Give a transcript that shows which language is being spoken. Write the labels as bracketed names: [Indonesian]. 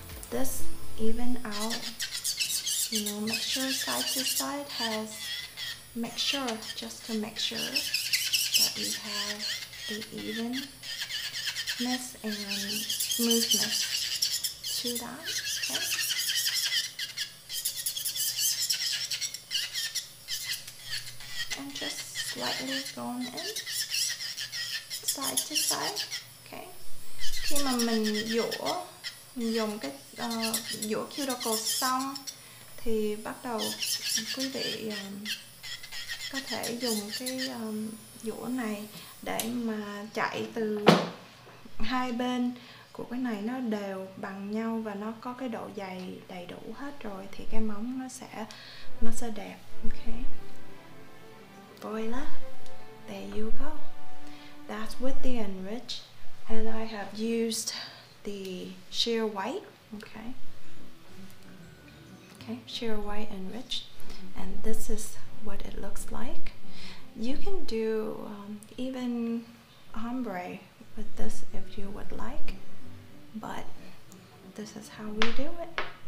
[English] This even out, you know, make sure side to side has, make sure, just to make sure that we have the evenness and smoothness to that, okay? And just slightly going in, side to side, okay? [Vietnamese] Khi mà mình dũa cái dũa cuticle xong thì bắt đầu quý vị có thể dùng cái dũa này để mà chạy từ hai bên của cái này nó đều bằng nhau và nó có cái độ dày đầy đủ hết rồi thì cái móng nó sẽ đẹp. [English] Ok, voila, there you go. That's with the enrich, and I have used the sheer white. Okay, sheer white enriched, and this is what it looks like. You can do even ombre with this if you would like, but this is how we do it.